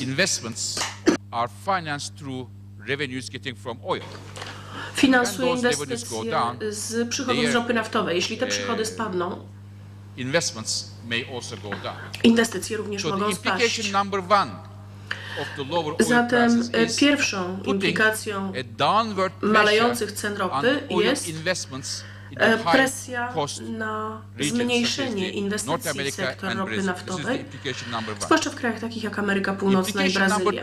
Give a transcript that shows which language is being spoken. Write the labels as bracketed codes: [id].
[en] investments are financed through revenues getting from oil. [pl] Finansuje inwestycje z przychodów z ropy naftowej. Jeśli te przychody spadną, [en] investments may also go down. [pl] Inwestycje również [en] so [pl] mogą spaść. [en] Number one of the lower oil [pl] zatem pierwszą implikacją malejących cen ropy jest presja na zmniejszenie inwestycji w sektor ropy naftowej, zwłaszcza w krajach takich jak Ameryka Północna i Brazylia.